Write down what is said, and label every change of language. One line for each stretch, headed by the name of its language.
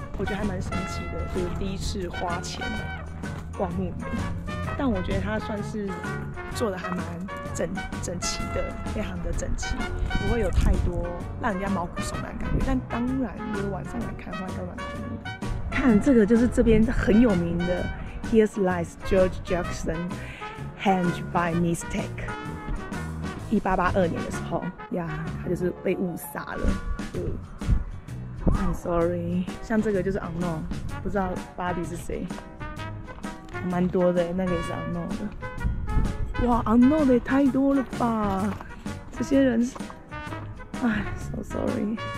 Chinese: 我觉得还蛮神奇的，就是第一次花钱逛墓园，但我觉得他算是做的还蛮整齐的，非常的整齐，不会有太多让人家毛骨悚然的感觉。但当然，如果晚上来看的话，应该蛮便宜的。看这个，就是这边很有名的。
English: Here lies George Jackson, hanged by mistake.
Chinese: 1882年的时候，呀，他就是被误杀了。
English: I'm sorry.
Chinese: 像这个就是 unknown， 不知道 body 是谁。蛮多的，那个也是 unknown 的。哇 ，unknown 的也太多了吧？这些人，哎 ，
English: so sorry.